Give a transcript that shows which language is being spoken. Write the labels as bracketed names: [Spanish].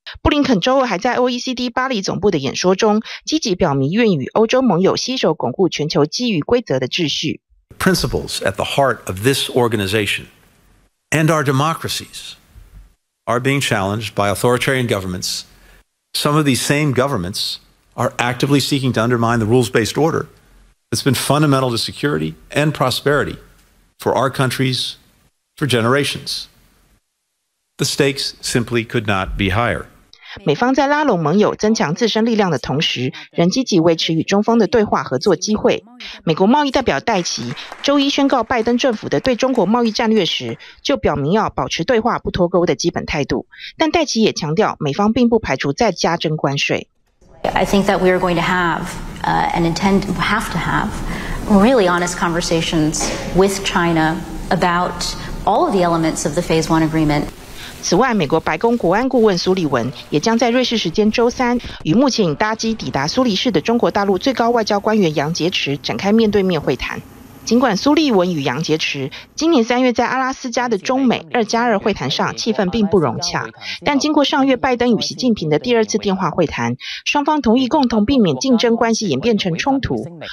[Chinese] 布林肯周二还在 OECD 巴黎总部的演说中，积极表明愿与欧洲盟友携手巩固全球基于规则的秩序。 [English] Principles at the heart of this organization and our democracies are being challenged by authoritarian governments. Some of these same governments are actively seeking to undermine the rules-based order. It's been fundamental to security and prosperity for our countries for generations. The stakes simply could not be higher. [Chinese] 美方在拉拢盟友、增强自身力量的同时，仍积极维持与中方的对话合作机会。美国贸易代表戴奇周一宣告拜登政府的对中国贸易战略时，就表明要保持对话不脱钩的基本态度。但戴奇也强调，美方并不排除再加征关税。 [English] I think that we are going to have. Have to have really honest conversations with China about all of the elements of the Phase One Agreement. [Chinese] 此外，美国白宫国安顾问苏利文也将在瑞士时间周三与目前已搭机抵达苏黎世的中国大陆最高外交官员杨洁篪展开面对面会谈。尽管苏利文与杨洁篪今年三月在阿拉斯加的中美二加二会谈上气氛并不融洽，但经过上月拜登与习近平的第二次电话会谈，双方同意共同避免竞争关系演变成冲突。